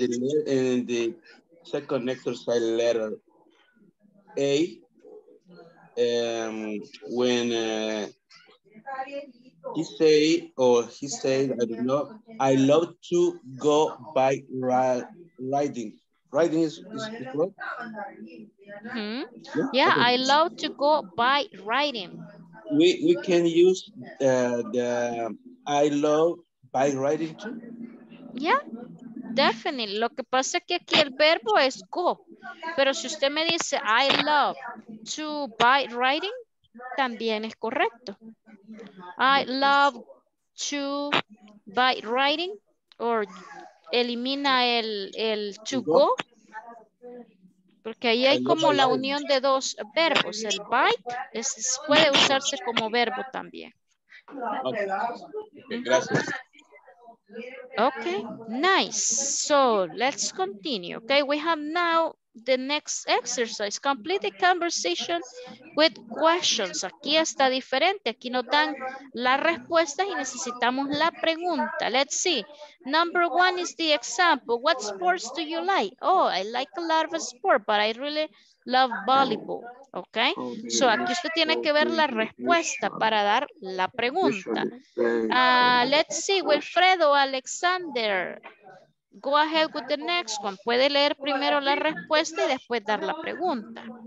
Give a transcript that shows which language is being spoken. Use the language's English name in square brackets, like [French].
[English] In the second exercise letter A, when he say or he said, I don't know, I love to go by riding. Riding is right? Hmm. Yeah, I love to go by riding. We can use the I love by riding too. Yeah, definitely. [Spanish] Lo que pasa es que aquí el verbo es go. Pero si usted me dice [English] I love to by riding, [Spanish] también es correcto. [English] I love to by riding or [Spanish] elimina el [English] to go. [Spanish] Porque ahí hay como la unión de dos verbos. El bike es, puede usarse como verbo también. Okay, gracias. [English] Okay, nice. So let's continue. Okay, we have now the next exercise. Complete the conversation with questions. [Spanish] Aquí está diferente. Aquí nos dan las respuestas y necesitamos la pregunta. [English] Let's see. Number one is the example. What sports do you like? Oh, I like a lot of sports, but I really love volleyball. Okay. [Spanish] So aquí usted tiene que ver la respuesta para dar la pregunta. [English] Let's see. Wilfredo Alexander. Go ahead with the next one. [Spanish] Puede leer primero la respuesta y después dar la pregunta.